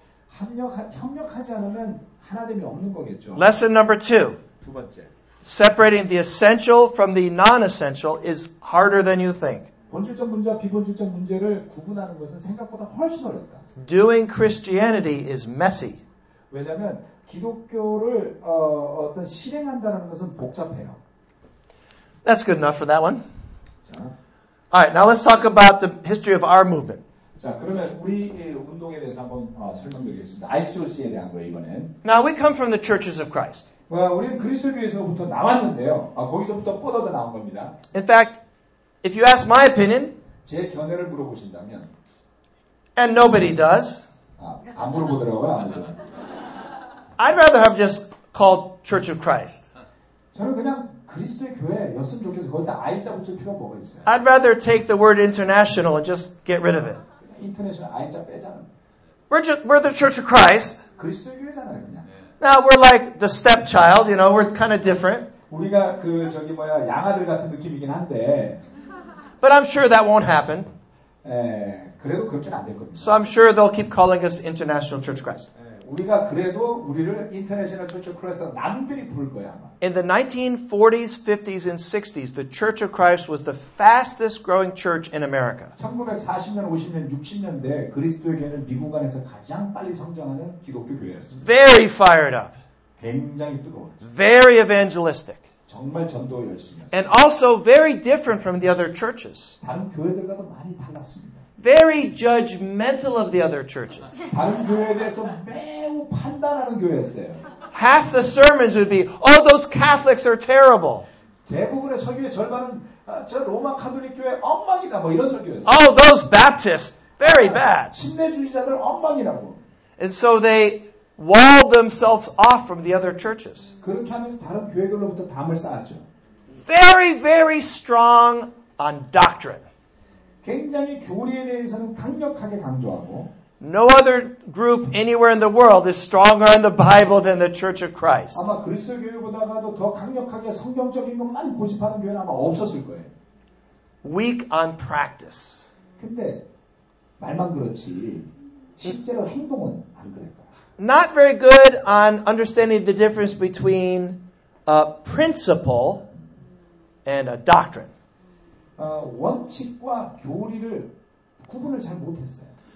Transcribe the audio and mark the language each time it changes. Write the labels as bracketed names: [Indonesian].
[Korean] 협력하지 않으면 하나됨이 없는 거겠죠. [English] Lesson number 2. [Korean] 두 번째. [English] Separating the essential from the non-essential is harder than you think. [Korean] 본질적 문제와 비본질적 문제를 구분하는 것은 생각보다 훨씬 어렵다. [English] Doing Christianity is messy. [Korean] 왜냐하면 기독교를 어떤 실행한다는 것은 복잡해요. [English] That's good enough for that one. [Korean] 자. [English] All right, now let's talk about the history of our movement. [Korean] 자, 그러면 우리 운동에 대해서 한번 설명드리겠습니다. ICOC에 대한 거예요, 이번엔. [English] Now we come from the Churches of Christ. [Korean] 우리는 그리스도 교회에서부터 나왔는데요. 거기서부터 뻗어져 나온 겁니다. [English] In fact, if you ask my opinion, [Korean] 제 견해를 물어보신다면, [English] and nobody does. [Korean] 안 물어보더라고요. [English] I'd rather have just called Church of Christ. [Korean] 저는 그냥 그리스도의 교회였으면 좋겠어요. 거기다 I자 붙일 필요가 뭐가 있어요? [English] I'd rather take the word international and just get rid of it. [Korean] 인터내셔널 I자 빼잖아. [English] We're the Church of Christ. [Korean] 그리스도의 교회잖아요, 그냥. [English] Now we're like the stepchild, you know. We're kind of different. [Korean] 우리가 그 저기 뭐야 양아들 같은 느낌이긴 한데. [English] But I'm sure that won't happen. [Korean] 에 그래도 그렇게 안 될 겁니다. [English] So I'm sure they'll keep calling us International Church of Christ. [Korean] 우리가 그래도 우리를 International Church of Christ 남들이 부를 거야. [English] In the 1940s, 50s, and 60s, the Church of Christ was the fastest growing church in America. [Korean] 1940년, 50년, 60년대 그리스도의 교회는 미국 안에서 가장 빨리 성장하는 기독교 교회였습니다. [English] Very fired up. [Korean] 굉장히 뜨거웠죠. [English] Very evangelistic. [Korean] 정말 전도 열심히. [English] And also very different from the other churches. [Korean] 다른 교회들과도 많이 달랐습니다. [English] Very judgmental of the other churches. [Korean] 다른 교회에 대해서 매우 판단하는 교회였어요. [English] Half the sermons would be, "Oh, those Catholics are terrible." [Korean] 대부분의 설교의 절반은 저 로마 가톨릭 교회 엉망이다 뭐 이런 설교였어요. [English] Oh, those Baptists, very bad. [Korean] 신대주의자들 엉망이라고. [English] And so they walled themselves off from the other churches. [Korean] 그렇게 하면서 다른 교회들로부터 담을 쌓았죠. [English] Very, very strong on doctrine. [Korean] 굉장히 교리에 대해서는 강력하게 강조하고. [English] No other group anywhere in the world is stronger in the Bible than the Church of Christ. [Korean] 아마 그리스도 교회보다도 더 강력하게 성경적인 것만 고집하는 교회는 아마 없었을 거예요. [English] Weak on practice. [Korean] 근데 말만 그렇지 실제로 행동은 안 그랬다. [English] Not very good on understanding the difference between a principle and a doctrine. [Korean] 원칙과 교리를 구분을 잘 못했어요.